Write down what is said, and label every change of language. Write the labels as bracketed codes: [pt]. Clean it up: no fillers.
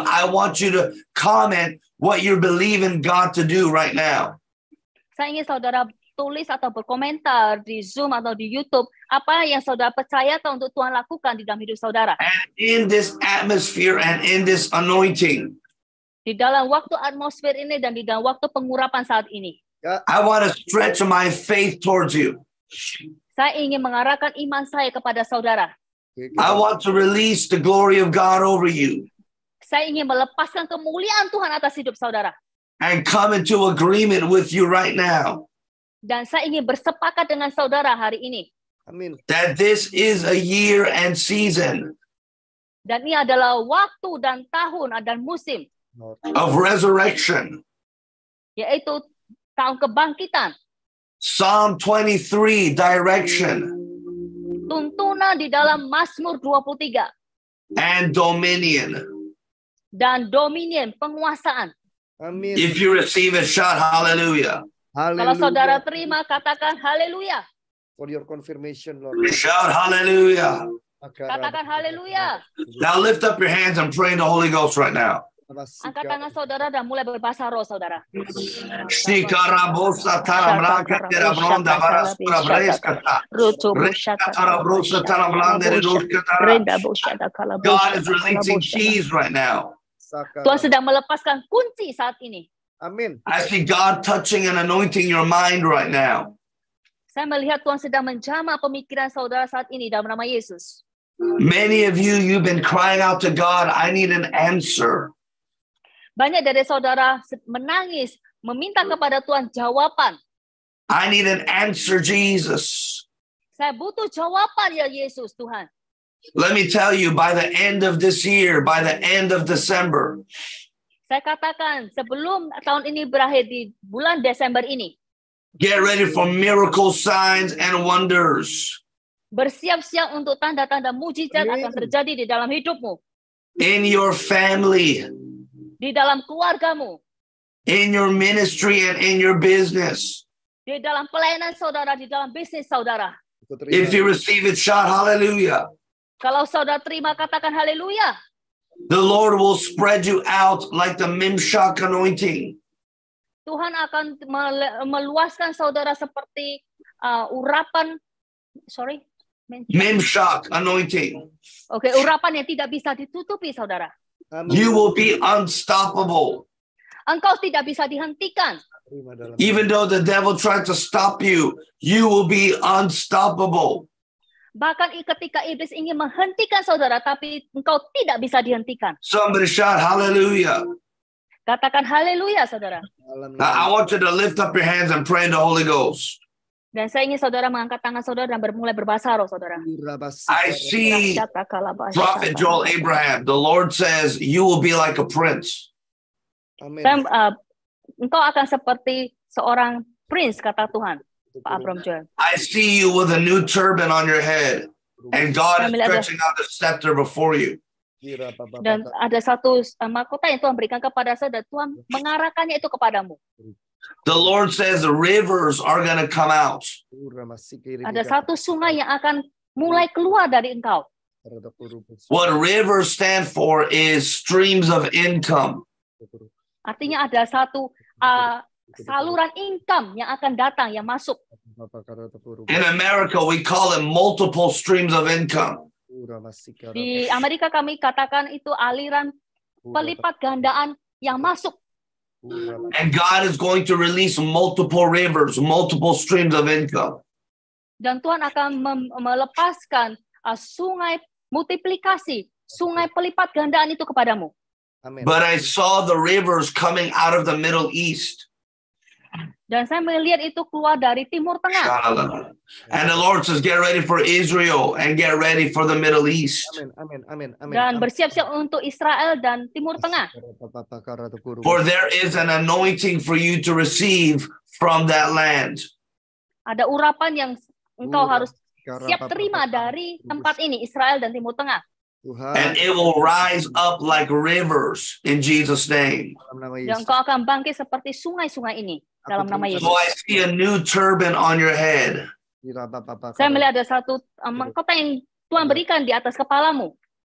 [en] I want you to comment what you're believing God to do right now. [id] Saya ingin saudara tulis atau berkomentar di Zoom atau di YouTube apa yang saudara percaya atau untuk Tuhan lakukan di dalam hidup saudara. [en] And in this atmosphere and in this anointing. [id] Di dalam waktu atmosfer ini dan di dalam waktu pengurapan saat ini. [en] I want to stretch my faith towards you. [id] Saya ingin mengarahkan iman saya kepada saudara. [en] I want to release the glory of God over you. [id] Saya ingin melepaskan kemuliaan Tuhan atas hidup saudara. [en] And come into agreement with you right now. [id] Dan saya ingin bersepakat dengan saudara hari ini. Amin. [en] That this is a year and season. [id] Dan ini adalah waktu dan tahun dan musim. [en] Of resurrection. [id] Yaitu tahun kebangkitan. [en] Psalm 23 direction. [id] Tuntunan di dalam Mazmur 23. [en] And dominion. [id] Dan dominion penguasaan. Amin. [en] If you receive a shout hallelujah. [id] Kalau saudara terima katakan haleluya. [en] For your confirmation Lord. Shout hallelujah. [id] Katakan haleluya. [en] Now lift up your hands and pray in the Holy Ghost right now. [id] Angkat tangan saudara dan mulai berbahasa roh saudara. Shikarabosa taramraka terabronda baraskura breskata. Shikarabosa taramlande rurkata. [en] God is releasing keys right now. [id] Tuhan sedang melepaskan kunci saat ini. Amin. [en] I see God touching and anointing your mind right now. [id] Saya melihat Tuhan sedang menjamah pemikiran saudara saat ini dalam nama Yesus. [en] Many of you, you've been crying out to God, I need an answer. [id] Banyak dari saudara menangis, meminta kepada Tuhan jawaban. [en] I need an answer, Jesus. [id] Saya butuh jawaban ya Yesus, Tuhan. [en] Let me tell you, by the end of this year, by the end of December. [id] Saya katakan, sebelum tahun ini berakhir di bulan Desember ini. [en] Get ready for miracle signs and wonders. [id] Bersiap-siap untuk tanda-tanda mujizat akan terjadi di dalam hidupmu. [en] In your family. [id] Di dalam keluargamu. [en] In your ministry and in your business. [id] Di dalam pelayanan saudara, di dalam bisnis saudara. [en] If you receive it, shout hallelujah. [id] Kalau saudara terima, katakan hallelujah. [en] The Lord will spread you out like the Mimshak anointing. [id] Tuhan akan meluaskan saudara seperti urapan, [en] Memshak, anointing. [id] Okay, urapan yang tidak bisa ditutupi, saudara. [en] You will be unstoppable. [id] Engkau tidak bisa dihentikan. [en] Even though the devil tried to stop you, you will be unstoppable. [id] Bahkan ketika iblis ingin menghentikan saudara, tapi engkau tidak bisa dihentikan. [en] Somebody shout hallelujah. [id] Katakan haleluya, saudara. [en] Now, I want you to lift up your hands and pray in the Holy Ghost. [id] Dan saya ingin saudara mengangkat tangan saudara dan bermulai berbahasa roh, saudara. [en] I see Prophet Joel Abraham. The Lord says, you will be like a prince. Amen. [id] Engkau akan seperti seorang prince, kata Tuhan. Pak Abram Joel. [en] I see you with a new turban on your head. And God is stretching out the scepter before you. [id] Dan ada satu mahkota yang Tuhan berikan kepada saya dan Tuhan mengarahkannya itu kepadamu. [en] The Lord says the rivers are going to come out. [id] Ada satu sungai yang akan mulai keluar dari engkau. [en] What rivers stand for is streams of income. [id] Artinya ada satu saluran income yang akan datang, yang masuk. [en] In America, we call it multiple streams of income. [id] Di Amerika kami katakan itu aliran pelipat gandaan yang masuk. [en] And God is going to release multiple rivers, multiple streams of income. [id] Dan Tuhan akan melepaskan sungai multiplikasi, sungai pelipat gandaan itu kepadamu. [en] But I saw the rivers coming out of the Middle East. [id] Dan saya melihat itu keluar dari Timur Tengah. [en] And the Lord says, get ready for Israel and get ready for the Middle East. Amen. [id] Dan bersiap-siap untuk Israel dan Timur Tengah. [en] For there is an anointing for you to receive from that land. [id] Ada urapan yang engkau harus siap terima dari tempat ini, Israel dan Timur Tengah. [en] And it will rise up like rivers in Jesus' name. [id] Dan engkau akan bangkit seperti sungai-sungai ini dalam nama Yesus. [en] So I see a new turban on your head. [id] Saya melihat ada satu mahkota yang Tuhan berikan di atas kepalamu.